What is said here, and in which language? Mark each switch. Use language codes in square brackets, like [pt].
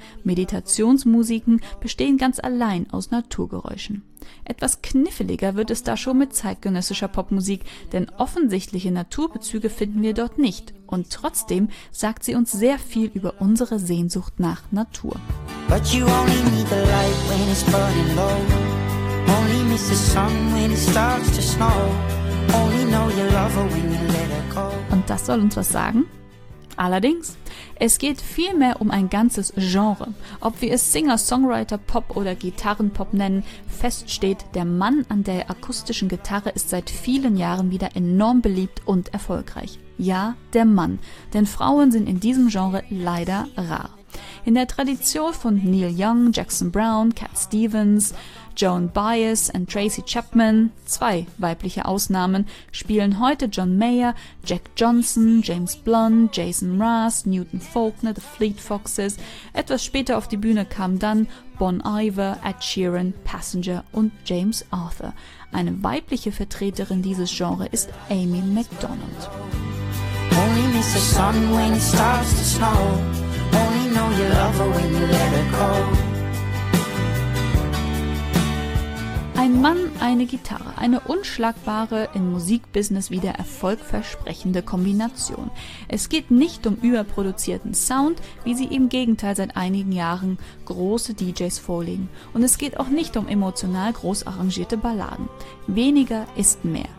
[de] Meditationsmusiken bestehen ganz allein aus Naturgeräuschen. Etwas kniffliger wird es da schon mit zeitgenössischer Popmusik, denn offensichtliche Naturbezüge finden wir dort nicht. Und trotzdem sagt sie uns sehr viel über unsere Sehnsucht nach Natur. [en] But you only need the light when it's burning low. Only miss the sun when it starts to snow. Only know you love her when you let her go. [de] Und das soll uns was sagen? Allerdings, es geht vielmehr um ein ganzes Genre. Ob wir es Singer-Songwriter-Pop oder Gitarren-Pop nennen, fest steht, der Mann an der akustischen Gitarre ist seit vielen Jahren wieder enorm beliebt und erfolgreich. Ja, der Mann. Denn Frauen sind in diesem Genre leider rar. In der Tradition von Neil Young, Jackson Brown, Cat Stevens, Joan Baez und Tracy Chapman, zwei weibliche Ausnahmen, spielen heute John Mayer, Jack Johnson, James Blunt, Jason Mraz, Newton Faulkner, The Fleet Foxes. Etwas später auf die Bühne kamen dann Bon Iver, Ed Sheeran, Passenger und James Arthur. Eine weibliche Vertreterin dieses Genres ist Amy MacDonald. [en] Only miss the sun when it starts to snow. Only know you love her when you let her go. [de] Ein Mann, eine Gitarre, eine unschlagbare, im Musikbusiness wieder erfolgversprechende Kombination. Es geht nicht um überproduzierten Sound, wie sie im Gegenteil seit einigen Jahren große DJs vorlegen. Und es geht auch nicht um emotional groß arrangierte Balladen. Weniger ist mehr.